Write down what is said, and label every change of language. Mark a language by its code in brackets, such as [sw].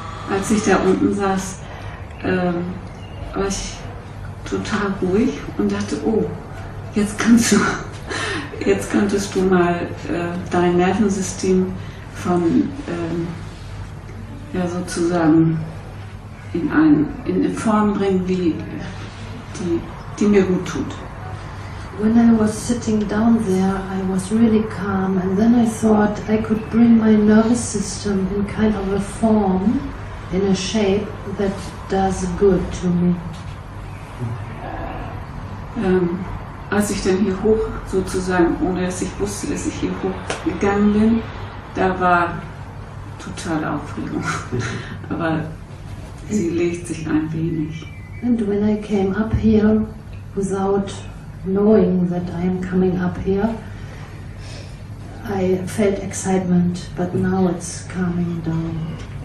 [de] Als ich da unten saß, war ich total ruhig und dachte, oh, jetzt könntest du mal dein Nervensystem von sozusagen in Form bringen, wie die mir gut tut. [en] When I was sitting down there, I was really calm, and then I thought I could bring my nervous system in kind of a form, in a shape that does good to me. [de] Als ich dann hier hoch, sozusagen, ohne dass ich wusste, dass ich hier hoch gegangen bin, da war totale Aufregung. Aber sie legt sich ein wenig. [en] And when I came up here without knowing that I am coming up here, I felt excitement, but now it's calming down.